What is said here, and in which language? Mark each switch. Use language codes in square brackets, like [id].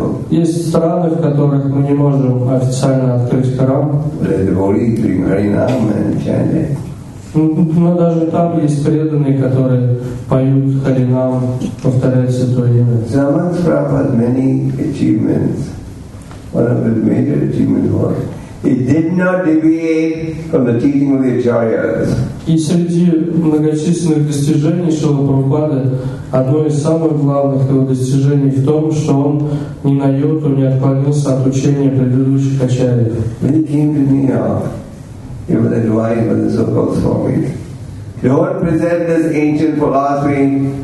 [ru] Есть страны, в которых мы не можем официально открыть храм. Но даже там есть преданные, которые поют Харинам, повторяют Святое Имя. [en] Самадхи Прабхупада many achievements. One of his major achievements was he did not deviate from the teaching of the acharyas. [ru] И среди многочисленных достижений Шрилы Прабхупады одно из самых главных его достижений в том, что он ни на йоту не отклонился от учения предыдущих ачарьев. [en] When he came to New York, he was advised by the so-called Swamis, "Don't present this ancient philosophy.